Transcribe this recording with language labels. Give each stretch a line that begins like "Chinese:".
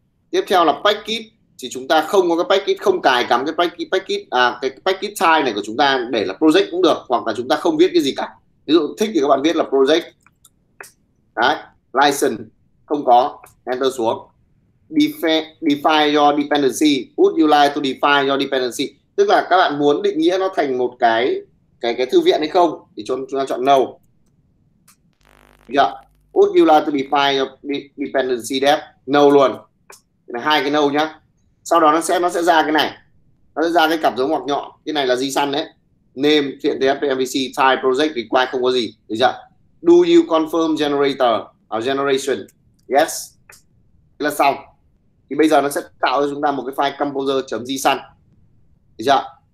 Vietnamese: Tiếp theo là packet, thì chúng ta không có cái packet, không cài cắm cái packet type này của chúng ta để là project cũng được, hoặc là chúng ta không viết cái gì cả. Ví dụ thích thì các bạn viết là project. Đấy, license không có, enter xuống.
English: Define your dependency, would you like to define your dependency?
Vietnamese: Tức là các bạn muốn định nghĩa nó thành một cái thư viện hay không, thì chúng ta chọn no.
English: Dạ, would you like to define your dependency depth?
Vietnamese: No luôn. Cái này hai cái no nhá. Sau đó nó sẽ ra cái này. Nó sẽ ra cái cặp dấu ngoặc nhọn. Cái này là JSON đấy. Name thiện df mvc type project require không có gì, được chưa?
English: Do you confirm generator generation? Yes. Là xong.
Vietnamese: Thì bây giờ nó sẽ tạo cho chúng ta một cái file composer.json. Được chưa?